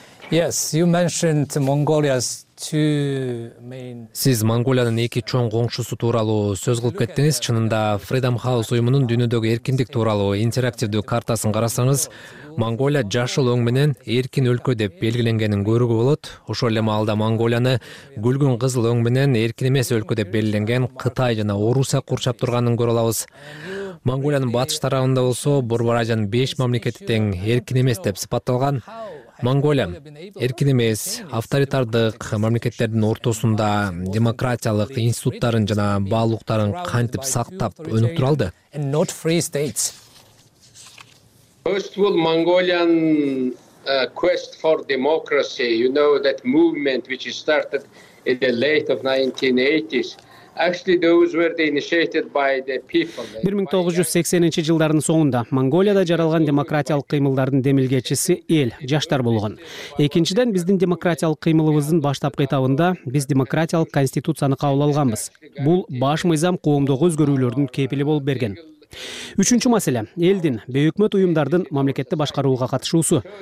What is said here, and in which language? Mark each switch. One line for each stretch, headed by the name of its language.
English: Yes, you mentioned Mongolia's two main.
Kyrgyz: Сиз Монголиянын эки чоң коңшусу тууралуу сөз кылып кеттиңиз. Чынында Freedom House уюмунун дүйнөдөгү эркиндик тууралуу интерактивдүү картасын карасаңыз, Монголия жашыл өң менен эркин өлкө деп белгиленгенин көрүүгө болот. Ошол эле маалда Монголияны күлгүн кызыл өң менен эркин эмес өлкө деп белгиленген Кытай жана Орусия курчап турганын көрө алабыз. Монголиянын батыш тарабында болсо, Борбор Азиянын 5 мамлекети тең эркин эмес деп сыпатталган. Монголия эркин эмес, авторитардык мамлекеттердин ортосунда демократиялык институттарын жана баалуулуктарын кантип сактап өнүктүрө алды?
English: First of all, Mongolian quest for democracy, you know, that movement which started in the late of 1980s. Actually, those were the initiated by the people.
Kyrgyz: 1980-жылдардын соңунда Монголияда жаралган демократиялык кыймылдардын демилгечиси эл, жаштар болгон. Экинчиден, биздин демократиялык кыймылыбыздын баштапкы этабында биз демократиялык конституцияны кабыл алганбыз. Бул баш мыйзам коомдогу өзгөрүүлөрдүн кепили болуп берген. Үчүнчү маселе — элдин, бейөкмөт уюмдардын мамлекетти башкарууга катышуусу.